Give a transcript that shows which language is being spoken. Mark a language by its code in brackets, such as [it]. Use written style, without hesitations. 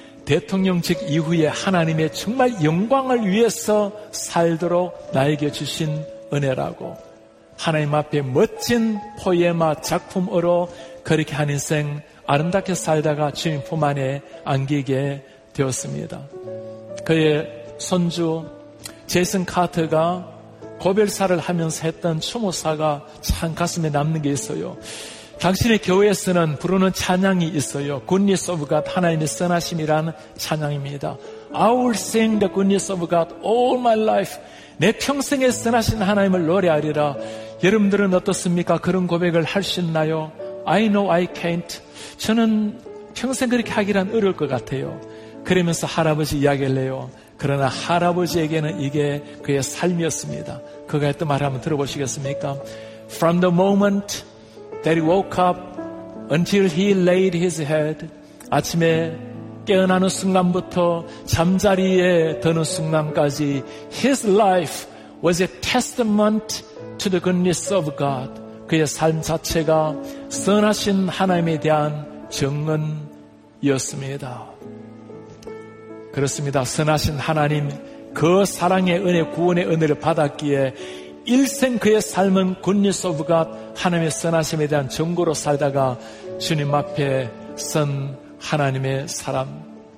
[ko] 대통령직 이후에 하나님의 정말 영광을 위해서 살도록 나에게 주신 은혜라고, 하나님 앞에 멋진 포에마 작품으로 그렇게 한 인생 아름답게 살다가 주님 품 안에 안기게 되었습니다. 그의 손주 제이슨 카터가 고별사를 하면서 했던 추모사가 참 가슴에 남는 게 있어요. 당신의 교회에서는 부르는 찬양이 있어요. Goodness of God, 하나님의 선하심이라는 찬양입니다. [en] I will sing the goodness of God all my life. [ko] 내 평생에 선하신 하나님을 노래하리라. 여러분들은 어떻습니까? 그런 고백을 할 수 있나요? [en] I know I can't. [ko] 저는 평생 그렇게 하기란 어려울 것 같아요. 그러면서 할아버지 이야기를 해요. 그러나 할아버지에게는 이게 그의 삶이었습니다. 그가 했던 말을 한번 들어보시겠습니까? [en] From the moment that he woke up until he laid his head, [ko] 아침에 깨어나는 순간부터 잠자리에 드는 순간까지 [en] his life was a testament to the goodness of God. [ko] 그의 삶 자체가 선하신 하나님에 대한 증언이었습니다. 그렇습니다. 선하신 하나님 그 사랑의 은혜, 구원의 은혜를 받았기에 일생 그의 삶은 [en] goodness of God, [ko] 하나님의 선하심에 대한 증거로 살다가 주님 앞에 선 하나님의 사람.